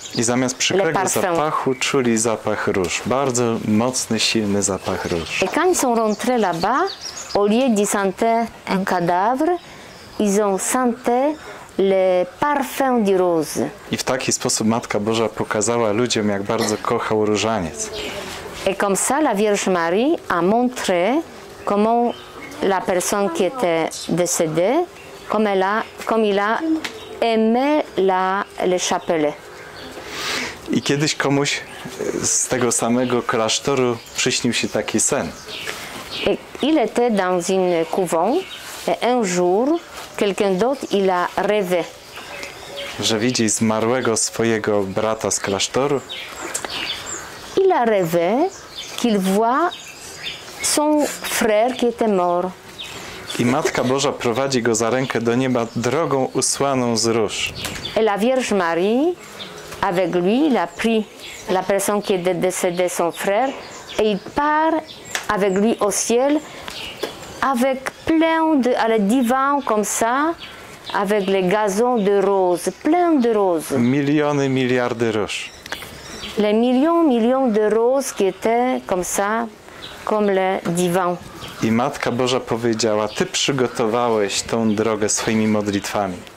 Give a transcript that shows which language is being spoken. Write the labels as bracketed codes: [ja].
[pl] I zamiast przykrego zapachu czuli zapach róż. Bardzo mocny, silny zapach róż. [fr] Et quand ils sont rentrés là-bas, au lieu de sentir un cadavre, ils ont senti le parfum du rose. [pl] I w taki sposób Matka Boża pokazała ludziom, jak bardzo kochał różaniec. [fr] Et comme ça, la Vierge Marie a montré comment la personne qui était décédée, comme il a aimait le chapelet. [pl] I kiedyś komuś z tego samego klasztoru przyśnił się taki sen. [fr] Il était dans une couvent et un jour quelqu'un d'autre il a rêvé. [pl] Że widzi zmarłego swojego brata z klasztoru. [fr] Il a rêvé qu'il voit son frère qui était mort. [pl] I Matka Boża prowadzi go za rękę do nieba drogą usłaną z róż. [fr] Et la Vierge Marie avec lui, il a pris la personne qui est décédée, son frère, et il part avec lui au ciel, avec plein de, à le divan, comme ça, avec les gazons de roses, plein de roses. [pl] Miliony, miliardy róż. [fr] Les millions, millions de roses qui étaient comme ça, comme le divan. [pl] I Matka Boża powiedziała, ty przygotowałeś tą drogę swoimi modlitwami.